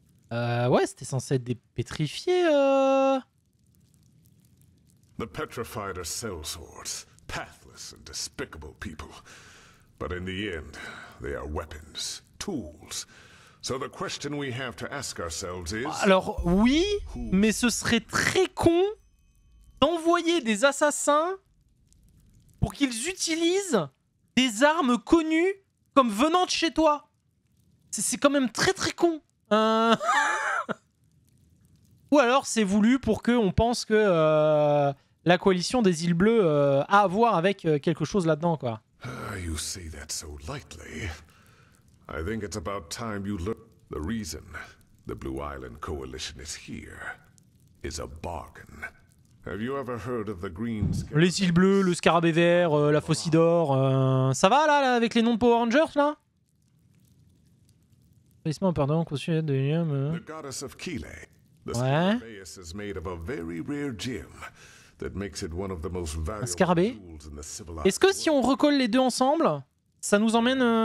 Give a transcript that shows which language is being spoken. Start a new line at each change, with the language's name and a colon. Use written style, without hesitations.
French: Ouais, c'était censé être des pétrifiés,
English: The petrified are sellswords, pathless and despicable people. But in the end, they are weapons, tools. So the question we have to ask ourselves is...
French: Alors, oui, mais ce serait très con d'envoyer des assassins pour qu'ils utilisent des armes connues comme venant de chez toi. C'est quand même très très con. Ou alors c'est voulu pour qu'on pense que la coalition des îles bleues a à voir avec quelque chose là-dedans, quoi.
English: You say that so lightly. I think it's about time you learn the reason the Blue Island Coalition is here is a bargain. Have you ever heard of the Green Scarab?
French: Les îles bleues, le scarabée vert, la Phocidore, ça va là, là avec les noms de Power Rangers là? Pardon, conscient de l'union,
English: The goddess of Kelae. The scarabaeus is made of a very rare gem that makes it one of the most valuable tools in the civilized world.
French: Est-ce que si on recolle les deux ensemble, ça nous emmène